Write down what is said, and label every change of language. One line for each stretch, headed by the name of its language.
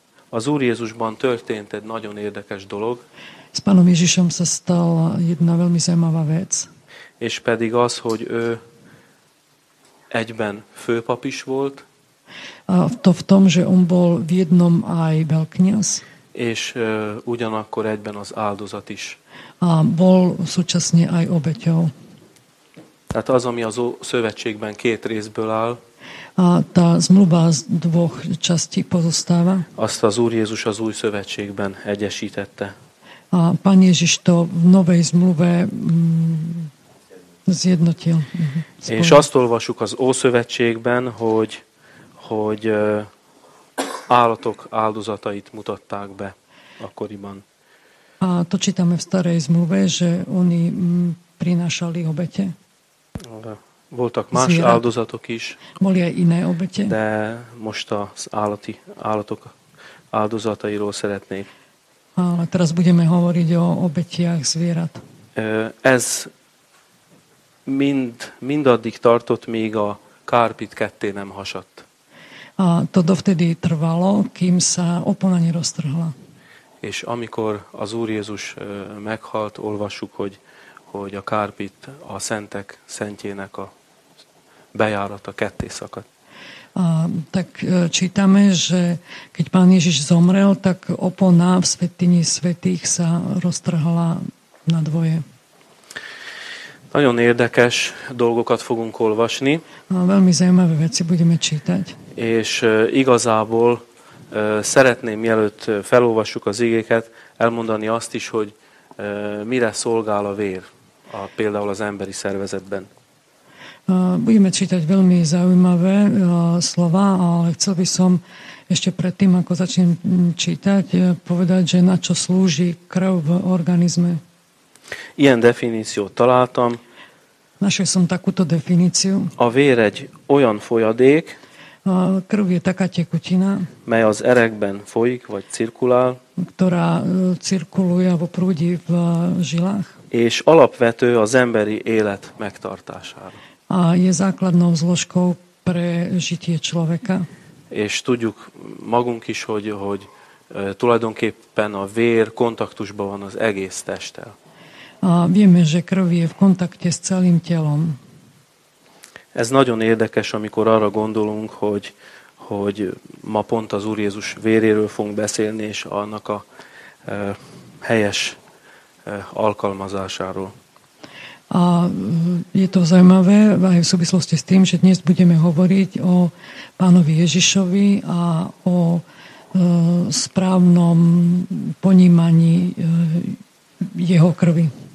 Hungarian: Az Úr Jézusban történt egy nagyon érdekes dolog.
Slovak: S Pánom Ježišom sa stala jedna veľmi zaujímavá vec.
Hungarian: És pedig az, hogy ő egyben főpap is volt.
Slovak: A to v tom, že on bol v jednom aj veľkňaz.
Hungarian: És ugyanakkor egyben az áldozat is.
Slovak: A bol súčasne aj obeťou.
Hungarian: Tehát az, ami az szövetségben két részből áll.
Slovak: A tá zmluva z dvoch častí pozostáva.
Hungarian: Azt az Úr Jézus az új szövetségben egyesítette.
Slovak: A Pán Ježiš to v novej zmluve zjednotil.
Hungarian: És azt olvasuk az ószövetségben, hogy állatok áldozatait mutatták be akkoriban.
Slovak: A to čítame v starej zmluve, že oni prinášali obete.
Hungarian: Voltak más
Slovak: zvierat.
Hungarian: Áldozatok is.
Slovak: Boli aj iné obete.
Hungarian: De most az állatok áldozatairól szeretnék.
Slovak: Ale teraz budeme hovoriť o obetiach zvierat.
Hungarian: Ez mindaddig tartott, míg a kárpit ketté nem hasadt.
Slovak: A to dovtedy trvalo, kým sa opona neroztrhla.
Hungarian: És amikor az Úr Jézus meghalt, olvassuk, hogy a kárpit a szentek szentjének a bejárata ketté szakadt.
Slovak: Tak čítame, že keď Pán Ježiš zomrel, tak opona v svätyni svätých sa roztrhala na dvoje.
Hungarian: Nagyon érdekes dolgokat fogunk olvasni.
Slovak: Veľmi zaujímavé veci budeme čítať.
Hungarian: És igazából szeretném, mielőtt felolvassuk az igéket, elmondani azt is, hogy mire szolgál a vér. Például az emberi szervezetben.
Slovak: Budeme čítať veľmi zaujímavé slova, ale chcel by som ešte predtým, ako začnem čítať, povedať, že na čo slúži krv v organizme.
Hungarian: Ilyen definíciót találtam.
Slovak: Našiel som takúto definíciu.
Hungarian: A vér egy olyan folyadék,
Slovak: A krv je taká tekutina,
Hungarian: mely az erekben folyik, vagy cirkulál,
Slovak: ktorá cirkuluje alebo prúdi v žilách.
Hungarian: És alapvető az emberi élet megtartására.
Slovak: A je základnou zložkou pre žitie človeka.
Hungarian: És tudjuk magunk is, hogy tulajdonképpen a vér kontaktusban van az egész testtel.
Slovak: A vieme, že krv je v kontakte s celým telom.
Hungarian: Ez nagyon érdekes, amikor arra gondolunk, hogy ma pont az Úr Jézus véréről fogunk beszélni, és annak a helyes alkalmazásáról.
Slovak: A je to zaujímavé aj v súvislosti s tým, že dnes budeme hovoriť o Pánovi Ježišovi a o správnom ponímaní jeho krvi.